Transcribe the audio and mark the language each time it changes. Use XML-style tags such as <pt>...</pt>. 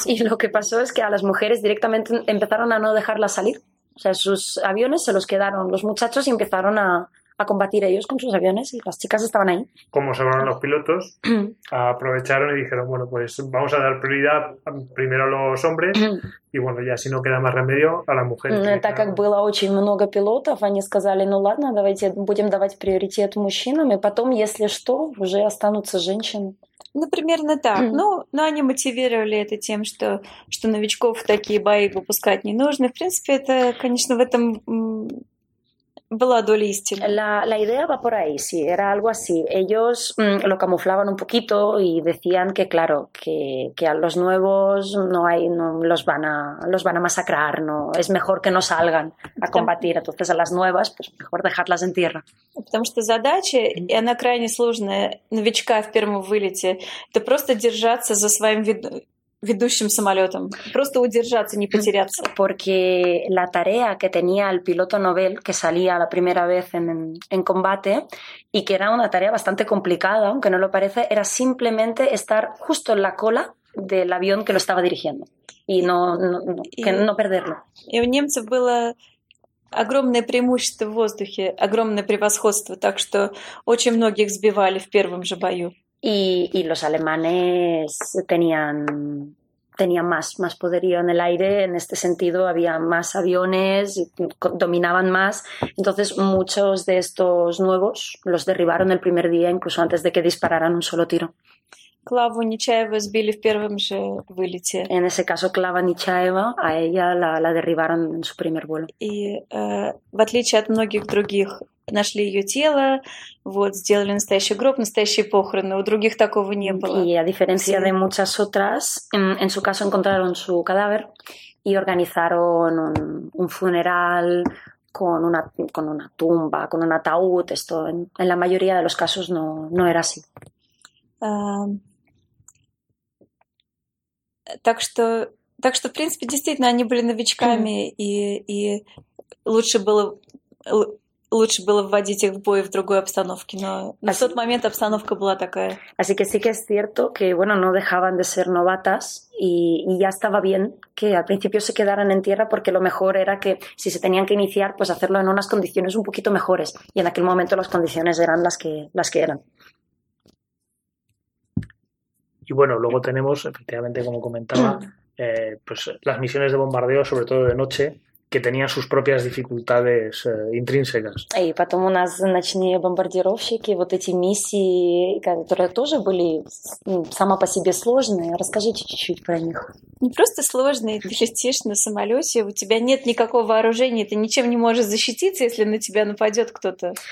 <es>Y lo que pasó es que a las mujeres directamente empezaron a no dejarlas salir. O sea, sus aviones se los quedaron los muchachos y empezaron a combatir ellos con sus aviones y las chicas estaban ahí. Como sabrán los pilotos, aprovecharon y dijeron, bueno, pues vamos a dar prioridad primero a los hombres y bueno, ya si no queda más remedio, a las mujeres.</es> <ru>Так как было очень много пилотов, они сказали, ну ладно, давайте будем давать приоритет мужчинам, и потом, если что, уже останутся женщины. Ну, примерно так. Но они мотивировали это тем, что новичков в такие бои выпускать не нужно. В принципе, это, конечно, в этом... Была доля истины.</ru> <es>La idea va por ahí, sí, era algo así. Ellos lo camuflaban un poquito y decían que, claro, que a los nuevos no hay, no los van a, los van a masacrar, no, es mejor que no salgan a combatir. Entonces a las nuevas, pues mejor dejarlas en tierra.</es> <ru>Потому что задача, и она крайне сложная, новичка в первом вылете, это просто держаться за своим ведущим самолетом. Просто удержаться, не потеряться.</ru> <es>Porque la tarea que tenía el piloto Nobel, que salía la primera vez en combate, y que era una tarea bastante complicada, aunque no lo parece, era simplemente estar justo en la cola del avión que lo estaba dirigiendo. Y no perderlo. Y</es> <ru>у немцев было огромное преимущество в воздухе, огромное превосходство, так что очень многих сбивали в первом же бою.</ru> <es>Y los alemanes tenían más poderío en el aire, en este sentido había más aviones, dominaban más, entonces muchos de estos nuevos los derribaron el primer día, incluso antes de que dispararan un solo tiro.</es> <ru>Клаву Нечаеву сбили в первом же вылете.</ru> <es>En ese caso, Клава Нечаева, a ella la derribaron en su primer vuelo.</es> <ru>И в отличие от многих других, нашли ее тело, вот, сделали настоящий гроб, настоящие похороны. У других такого не было.</ru> <es>Y a diferencia de muchas otras, en su caso encontraron su cadáver y organizaron un funeral con una tumba, con un ataúd. Esto en la mayoría de los casos no era así.</es> <ru>Так что, в принципе, действительно, они были новичками, и лучше было вводить их в бой в другой обстановке, но на тот момент обстановка была такая.</ru> <es>Así que sí que es cierto que, bueno, no dejaban de ser novatas, y ya estaba bien que al principio se quedaran en tierra, porque lo mejor era que si se tenían que iniciar, pues hacerlo en unas condiciones un poquito mejores, y en aquel momento las condiciones eran las que eran. Y bueno, luego tenemos, efectivamente, como comentaba, pues las misiones de bombardeo, sobre todo de noche, que tenían sus propias dificultades intrínsecas. Y</es> <ru>потом у нас ночные бомбардировщики, вот эти миссии, которые тоже были сама по себе сложные. Расскажите чуть-чуть про них. Не просто сложные, ты летишь на самолете, у тебя нет никакого вооружения, ты ничем не можешь защититься, если на тебя нападет кто-то.</ru>